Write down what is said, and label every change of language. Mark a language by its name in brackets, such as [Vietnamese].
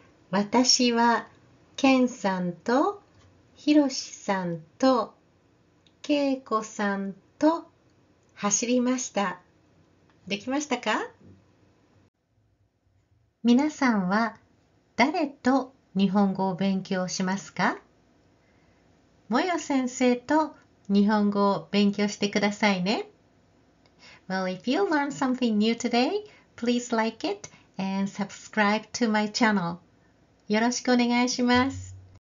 [Japanese] 私はケンさんとヒロシさんとケイコさんと走りました。できましたか？皆さんは誰と日本語を勉強しますか？モヨ先生と日本語を勉強してくださいね。 [English] Well, if you learn something new today, please like it. And subscribe to my channel. [Japanese] よろしくお願いします。